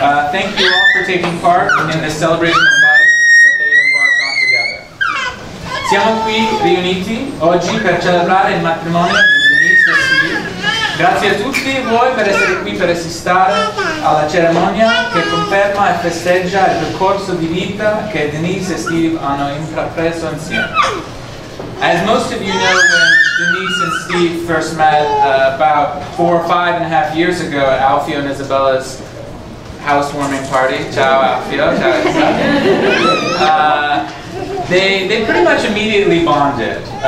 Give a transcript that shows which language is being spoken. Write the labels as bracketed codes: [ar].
[en] Thank you all for taking part in this celebration of life that they have embarked on together. [it] Siamo qui riuniti oggi per celebrare il matrimonio di Denise e Steve. Grazie a tutti voi per essere qui per assistere alla cerimonia che conferma e festeggia il percorso di vita che Denise e Steve hanno intrapreso insieme. [en] As most of you know, when Denise and Steve first met about 4 or 5 and a half years ago at Alfio and Isabella's housewarming party, [it] ciao Alfio, ciao Isabella, [en] they pretty much immediately bonded.